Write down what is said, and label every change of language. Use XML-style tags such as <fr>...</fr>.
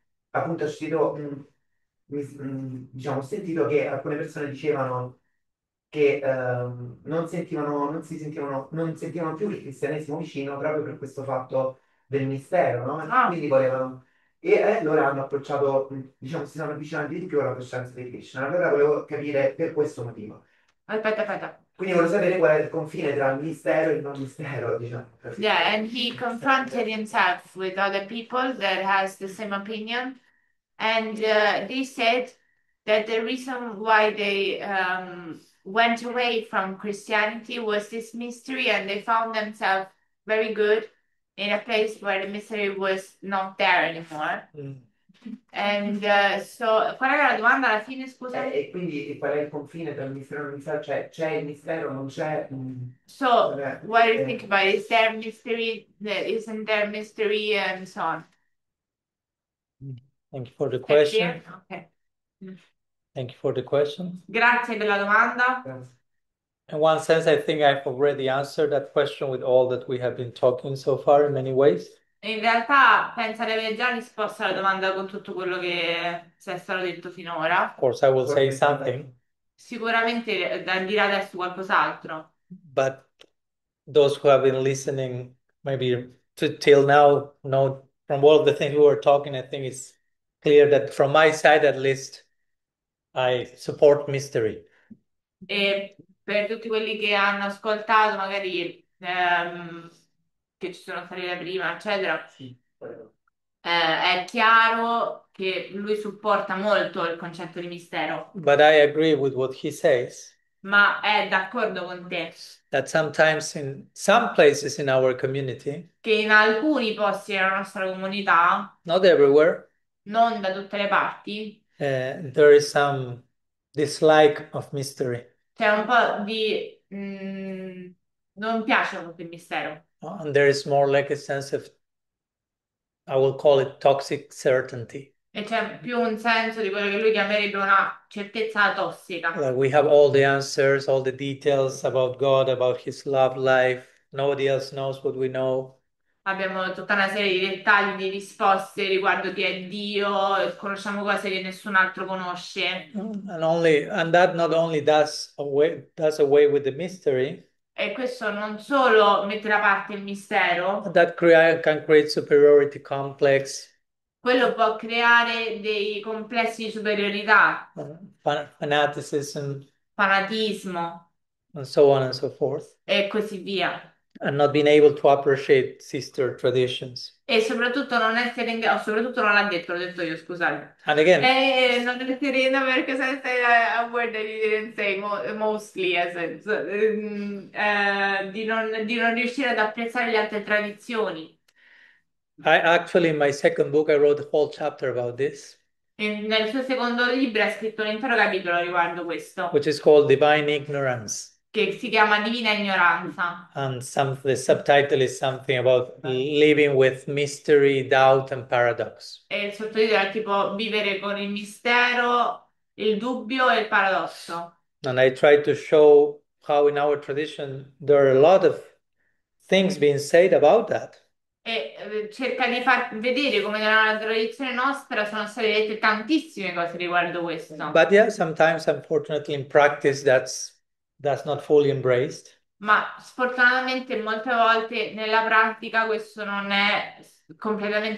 <it>Appunto diciamo, ho sentito che alcune persone dicevano che non sentivano più il cristianesimo vicino proprio per questo fatto del mistero, no? Ah. Quindi volevano. E allora hanno approcciato, diciamo, si sono avvicinati di più alla coscienza di Krishna. Allora volevo capire per questo motivo. Aspetta, Quindi voglio sapere qual è il confine tra il mistero e il non mistero, diciamo. aspetta.</it> <en>Yeah, and he confronted himself with other people that has the same opinion, and they said that the reason why they went away from Christianity was this mystery, and they found themselves very good in a place where the mystery was not there anymore. And so,</en> <it>qual era la domanda alla fine, scusa? E quindi qual è il confine tra il mistero e il mistero? Cioè, c'è il mistero o non c'è?</it> <en>So, what do you think about it? Is there mystery? Isn't there mystery? And so on. Thank you for the Stay question. clear? Okay. Thank you for the question.</en> <it>Grazie della domanda.</it> <en>Yes. In one sense, I think I've already answered that question with all that we have been talking so far in many ways.</en> <it>In realtà, penso di aver già risposto alla domanda con tutto quello che si è stato detto finora.</it> <en>Of course, I will say something,</en> <it>Sicuramente dirà adesso qualcos'altro.</it> <en>but those who have been listening maybe to till now know from all the things we were talking, I think it's clear that from my side at least I support mystery.</en> <it>E per tutti quelli che hanno ascoltato, magari, che ci sono stati da prima, eccetera. È chiaro che lui supporta molto il concetto di mistero.</it> <en>But I agree with what he says</en> <it>Ma è d'accordo con te</it> <en>that sometimes in some places in our community,</en> <it>che in alcuni posti della nostra comunità,</it> <en>not everywhere,</en> <it>non da tutte le parti,</it> <en>there is some dislike of mystery.</en> <it>c'è un po' di non piace proprio il mistero.</it> <en>And there is more like a sense of, I will call it toxic certainty.</en> <it>E c'è più un senso di quello che lui chiamerebbe una certezza tossica.</it> <en>Like we have all the answers, all the details about God, about his love life. Nobody else knows what we know.</en> <it>Abbiamo tutta una serie di dettagli, di risposte riguardo chi è Dio, conosciamo cose che nessun altro conosce.</it> <en>And that not only does away with the mystery,</en> <it>E questo non solo mette da parte il mistero.</it> <en>that can create superiority complex.</en> <it>Quello può creare dei complessi di superiorità,</it> <en>Fanaticism</en> <it>fanatismo</it> <en>and so on and so forth,</en> <it>e così via. E</it> <en>and not being able to appreciate sister traditions.</en> <it>soprattutto non essere in grado, soprattutto non l'ha detto io, scusate.</it> <en>And again,</en> <it>E non essere in grado, perché se</it> <en>a word that you didn't say mostly, as so,</en> <it>di non riuscire ad apprezzare le altre tradizioni.</it> <en>actually, in my second book, I wrote a whole chapter about this.</en> <it>Nel suo secondo libro ha scritto un intero capitolo riguardo</it> <en>Which</en> <it>questo.</it> <en>is called divine ignorance.</en> <it>che si chiama Divina Ignoranza.</it> <en>And the subtitle is something about living with mystery, doubt and paradox.</en> <it>E il sottotitolo è tipo vivere con il mistero, il dubbio e il paradosso.</it> <en>And I try to show how in our tradition there are a lot of things being said about that.</en> <it>E cerca di far vedere come nella tradizione nostra sono state dette tantissime cose riguardo</it> <en>But</en> <it>questo.</it> <en>yeah, sometimes unfortunately in practice that's not fully embraced.</en> <it>Ma sfortunatamente molte volte nella pratica questo non è completamente</it>